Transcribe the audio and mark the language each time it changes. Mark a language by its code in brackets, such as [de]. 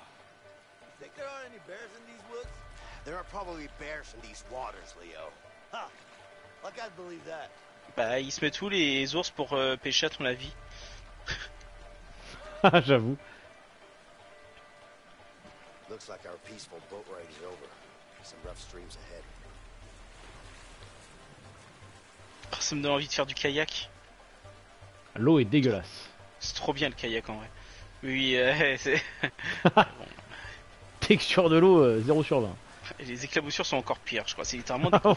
[en] You think there aren't any bears in these woods? There are probably bears in these waters, Leo. Ha! Like I'd believe that. [fr] Bah, ils se mettent où les ours pour pêcher à ton avis? J'avoue. [en] Looks like our peaceful boat ride is over. Some rough streams ahead. [fr] Oh, ça me donne envie de faire du kayak. L'eau est dégueulasse. C'est trop bien le kayak en vrai. Oui, c'est. Texture de l'eau 0 sur 20. Les éclaboussures sont encore pires, je crois. C'est littéralement des carrés.